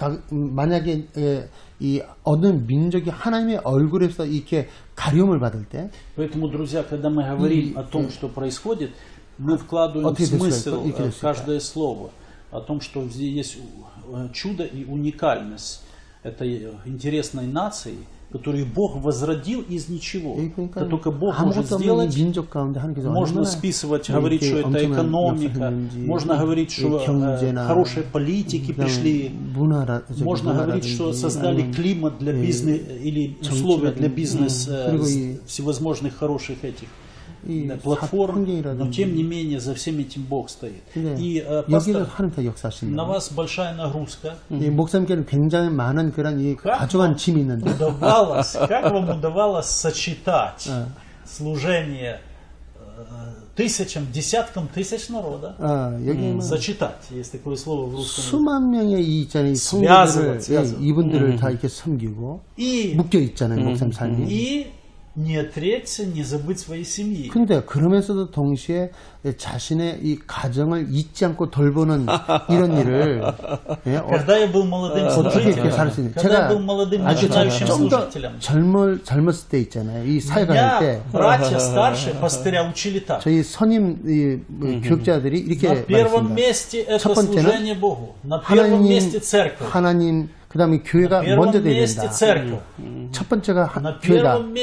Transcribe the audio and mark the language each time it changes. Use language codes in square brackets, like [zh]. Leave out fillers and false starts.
[ko] 만약에 이 어느 민족이 하나님의 얼굴에서 이렇게 가려움을 받을 때 [ru] поэтому, друзья, когда мы говорим о том, что происходит, мы вкладываем смысл в каждое слово о том, что есть чудо и уникальность этой интересной нации, которую Бог возродил из ничего. Это только Бог может сделать. Можно списывать, говорить, что это экономика. Можно говорить, что хорошие политики пришли. Можно говорить, что создали климат для бизнеса или условия для бизнеса всевозможных хороших этих платформ. Но тем не менее за всем этим Бог стоит. И пастор, на вас большая нагрузка. [ko] И 목사님께는 굉장히 많은 그런 이 가져간 짐이 있는데. [ru] Удавалось, как вам удавалось сочетать служение тысячам, десяткам тысяч народа? Сочетать, есть такое слово в русском. [ko] 수만 명의 이 있잖아요. 성도들을 이분들을 다 이렇게 섬기고 묶여 있잖아요, 목사님 삶이. [ru] и не отречься, не забыть своей семьи. [ko] 근데 그러면서도 동시에 자신의 이 가정을 잊지 않고 돌보는 이런 일을 [ru] Когда я был молодым служителем, когда я был молодым начинающим служителем. [ko] 젊었을 때 있잖아요. 이 사역을 할 때. [ru] 야, братья старшие, пастыря учили так. [ko] 저희 선임 이 교육자들이 이렇게 말했습니다. 첫 번째는 [ru] служение Богу. На первом месте церковь. [ko] 하나님 그다음에 교회가 먼저 돼야 된다. 첫 번째가 교회다.